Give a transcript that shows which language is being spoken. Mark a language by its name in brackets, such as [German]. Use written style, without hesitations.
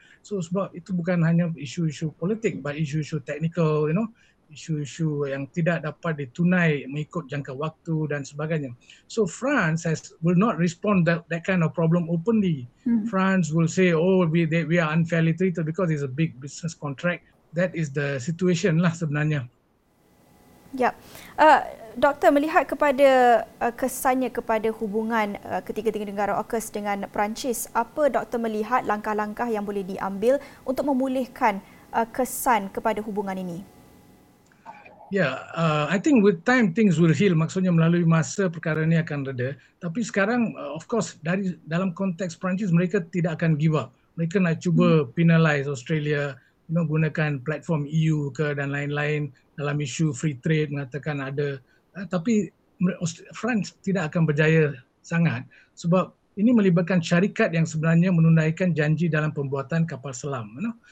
[Malay] So sebab itu bukan hanya isu-isu politik, but isu-isu teknikal, [English] you know, [Malay] isu-isu yang tidak dapat ditunai mengikut jangka waktu dan sebagainya. [English] So France has, will not respond that kind of problem openly. France will say, oh, we are unfairly treated because it's a big business contract. That is the situation [Malay] lah sebenarnya. Ya. Doktor, melihat kepada kesannya kepada hubungan ketiga-tiga negara AUKUS dengan Perancis, apa doktor melihat langkah-langkah yang boleh diambil untuk memulihkan kesan kepada hubungan ini? [English] Ya, I think with time things will heal. [Malay] Maksudnya melalui masa perkara ini akan reda. Tapi sekarang of course dari dalam konteks Perancis, mereka tidak akan [English] give up. [Malay] Mereka nak cuba penalize Australia, [English] you know, [Malay] gunakan platform EU ke dan lain-lain dalam isu free trade, mengatakan ada, tapi France tidak akan berjaya sangat sebab ini melibatkan syarikat yang sebenarnya menunaikan janji dalam pembuatan kapal selam, you know?